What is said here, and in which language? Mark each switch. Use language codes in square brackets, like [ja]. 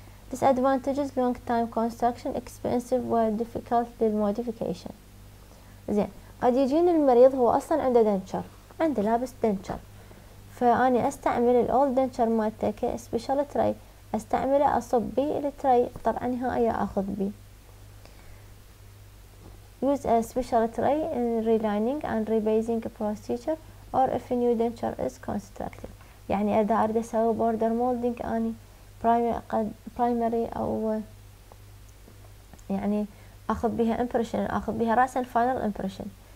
[en] Disadvantages long time construction expensive وديفيكالت للموديفيكيشن. [ar] زين قد يجيني المريض هو اصلا عنده دنشر، عنده لابس دنشر، فأني أستعمل الأول دنشر مالته كسبيشال تري، أستعمله أصب بيه التري طبعا هاي أخذ بيه. [en] Use a special tray in relining and rebasing procedure or if a new denture is constructed. [ar] يعني إذا أريد أسوي border molding أني primary أو يعني أخذ بها impression، أخذ بها رأسا final impression.